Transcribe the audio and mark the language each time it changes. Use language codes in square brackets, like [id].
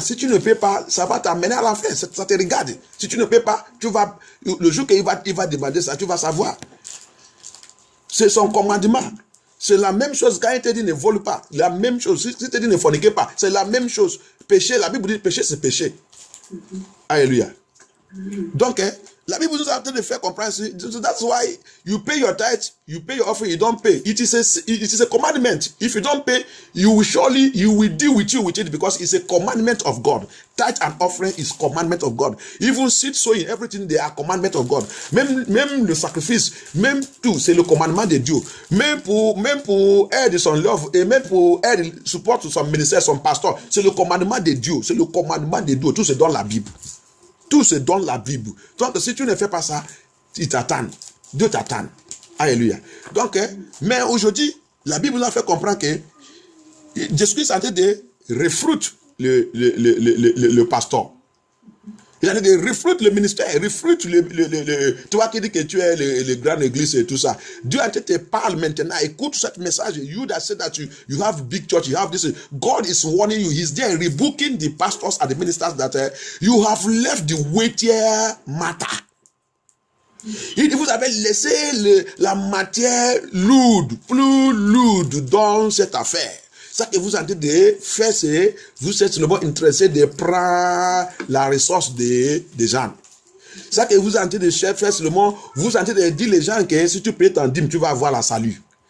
[fr] Si tu ne payes pas, ça va t'amener à l'enfer. Ça te regarde. Si tu ne payes pas, tu vas, le jour qu'il va demander ça, tu vas savoir. C'est son commandement. C'est la même chose quand il te dit ne vole pas. La même chose. Si il te dit ne fornique pas, c'est la même chose. Péché, la Bible dit péché, c'est péché. Alléluia. Donc, la Bible nous a en train de faire comprendre. [en] So that's why you pay your tithe, you pay your offering, you don't pay. It is a commandment. If you don't pay, you will deal with you with it because it's a commandment of God. Tithe and offering is commandment of God. Even seed sowing, everything, they are commandment of God. [fr] Même le sacrifice, même tout, c'est le commandement de Dieu. Même pour aider son love et même pour aider support son ministère, son pasteur, c'est le commandement de Dieu. C'est le commandement de Dieu. Tout c'est dans la Bible. Tout se donne la Bible. Donc, si tu ne fais pas ça, il t'attend. Dieu t'attend. Alléluia. Donc, mais aujourd'hui, la Bible nous a fait comprendre que Jésus-Christ est en train de refruit le pasteur. Il est en train de refruit le ministère, refruit le toi qui dis que tu es le grand église et tout ça. Dieu est en train de te parler maintenant. Écoute ce message. [en] You that said that you have big church, you have this. God is warning you. He's there rebuking the pastors and the ministers that you have left the weightier matter. [fr] Il vous avez laissé la matière lourde, plus lourde dans cette affaire. Ça que vous êtes de faire, c'est vous êtes seulement intéressé de prendre la ressource des gens. Ça que vous êtes de faire, seulement vous êtes de dire les gens que si tu payes ton dîme, tu vas avoir la salut.